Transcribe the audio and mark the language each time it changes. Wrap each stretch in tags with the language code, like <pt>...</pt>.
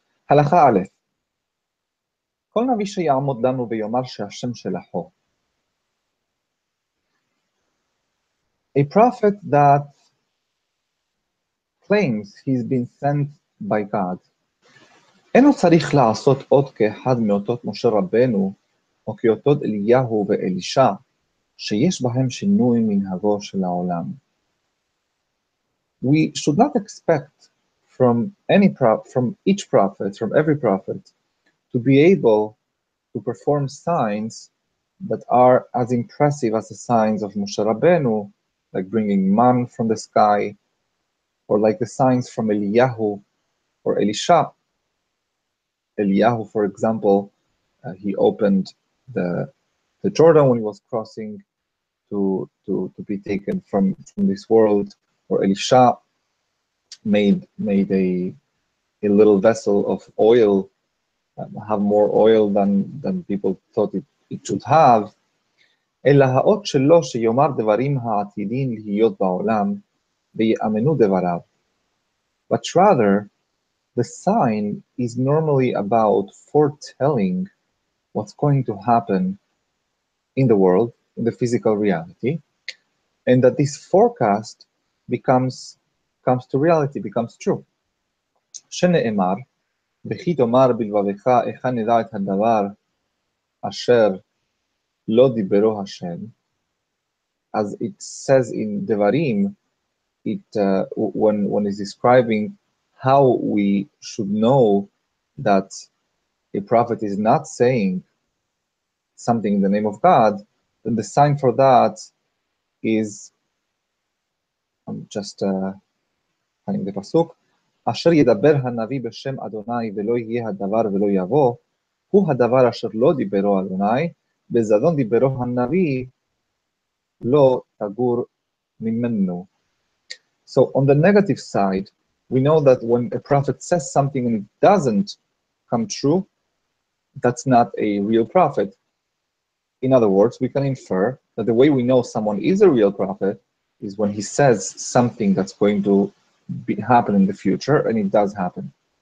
<he>הלכה א', כל נביא שיעמוד לנו ויאמר שהשם שלחו.</he> <en>A prophet that claims he's been sent by God.</en> <he>אינו צריך לעשות עוד כאחד מאותות משה רבנו, או כאותות אליהו ואלישע, שיש בהם שינוי מנהגו של העולם.</he> <en>We should not expect from every prophet, to be able to perform signs that are as impressive as the signs of Moshe Rabbeinu, like bringing man from the sky, or like the signs from Eliyahu or Elisha. Eliyahu, for example, he opened the Jordan when he was crossing to be taken from this world, or Elisha made a little vessel of oil, have more oil than people thought it should have.</en> <he>אלא האות שלו שיאמר דברים העתידים להיות בעולם ויאמנו דבריו.</he> <en>But rather, the sign is normally about foretelling what's going to happen in the world, in the physical reality, and that this forecast comes to reality, becomes true.</en> <he>שנאמר, וכי תאמר בלבבך איך נדע את הדבר אשר לא דיברו השם,</he> <en>as it says in Devarim, when it's describing how we should know that a prophet is not saying something in the name of God, then the sign for that is, I'm the pasuk,</en> <he>אשר ידבר הנביא בשם אדוני ולא יהיה הדבר ולא יבוא, הוא הדבר אשר לא דיברו אדוני, בזדון דיברו הנביא לא תגור ממנו.</he> <en>So on the negative side, we know that when a prophet says something and it doesn't come true, that's not a real prophet. In other words, we can infer that the way we know someone is a real prophet is when he says something that's going to happen in the future, and it does happen.</en>